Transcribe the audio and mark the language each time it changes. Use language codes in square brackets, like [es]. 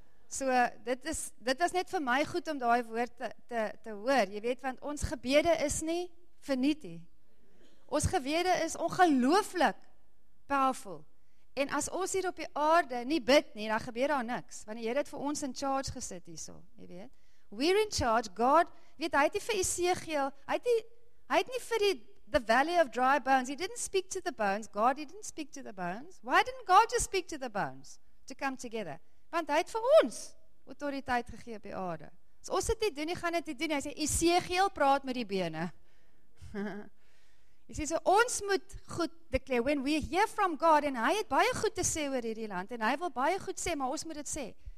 [af] So, dit is net vir my goed om daai woord te hoor, jy weet, want ons gebede is nie vernietig. Ons gebede is ongelooflik powerful, en as ons hier op die aarde nie bid nie, dan gebeur daar niks, want die Here het vir ons [en] in charge [af] gesit hierso, jy weet. [en] We're in charge, [af] God, weet, hy het nie vir [en] Esegiel, hy het nie vir the valley of dry bones, he didn't speak to the bones, God, he didn't speak to the bones, why didn't God just speak to the bones, to come together? [af] Want hy het vir ons autoriteit gegee op die aarde. As ons het nie doen, hy gaan het nie doen, hy sê, Esegiel praat met die bene. Hy sê, so ons moet goed declare, [en] when we hear from God, [af] en hy het baie goed te sê oor hierdie land, en hy wil baie goed sê, maar ons moet het sê.